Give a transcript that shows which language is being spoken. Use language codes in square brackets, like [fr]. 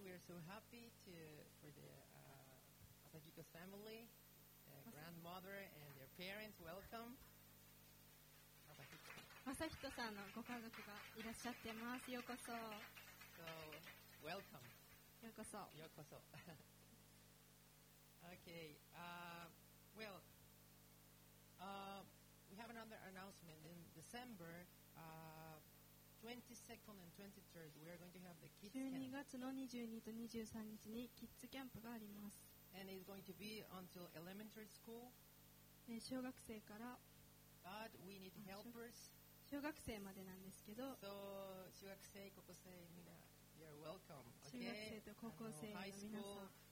[en] We are so happy for the Asagiko family, their grandmother and their parents. Welcome. [ja] マサヒトさんのご家族がいらっしゃってます。ようこそ。 [en] So, welcome. [ja] ようこそ。ようこそ。 [en] Okay. Well, we have another announcement. In December, 22nd and 23rd, we are going to have the kids camp. [ja] 12月の22日と23日にキッズキャンプがあります。 [en] And it's going to be until elementary school. [ja] 小学生から。 [en] But we need helpers. [ja] 小学生までなんですけど、 [en] so, [ja] 中学生、高校生、みんな、 [en] you're welcome. Okay? [ja] 中学生と高校生の皆さん、